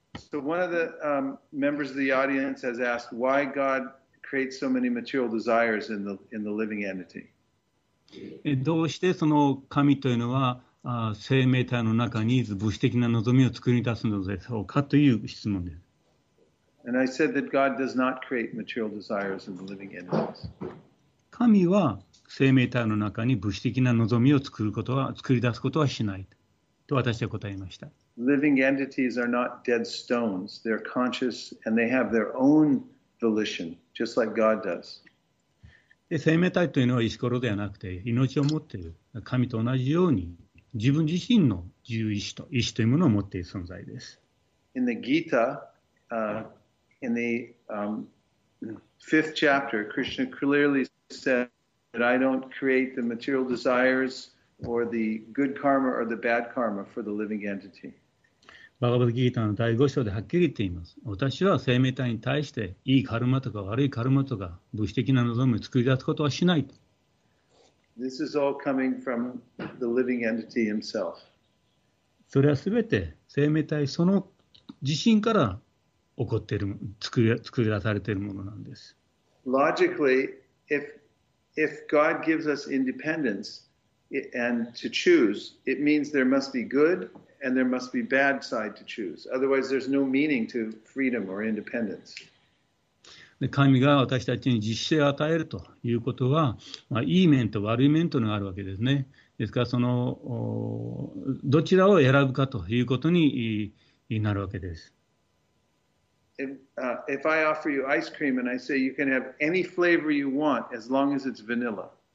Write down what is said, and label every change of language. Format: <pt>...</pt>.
<en>So one of the members of the audience has asked why God creates so many material desires in the living entity.</en> <ja>どうしてその神というのは生命体の中に物質的な望みを作り出すのでしょうかという質問です。</ja> <en>And I said that God does not create material desires in the living entities.</en> <ja>神は生命体の中に物質的な望みを作り出すことはしないと私は答えました。</ja> <en>Living entities are not dead stones. They're conscious and they have their own volition, just like God does.</en> <ja>で、生命体というのは石ころではなくて命を持っている。神と同じように自分自身の自由意志というものを持っている存在です。</ja> <en>In the Gita, In the fifth chapter, Krishna clearly said that I don't create the material desires or the good karma or the bad karma for the living entity.</en> <ja>バガヴァッド・ギータの第5章ではっきり言っています。私は生命体に対していいカルマとか悪いカルマとか物質的な望みを作り出すことはしない。</ja> <en>This is all coming from the living entity himself.</en> <ja>それはすべて生命体その自身から起こっている作り出されているものなんです。</ja> <en>Logically, if God gives us independence and to choose, it means there must be good and there must be bad side to choose. Otherwise, there's no meaning to freedom or independence.</en> <ja>で、神が私たちに自主性を与えるということは、まあ、いい面と悪い面というのがあるわけですね。ですから、そのどちらを選ぶかということになるわけです。</ja> <en>If I offer you ice cream and I say you can have any flavor you want as long as it's vanilla.</en>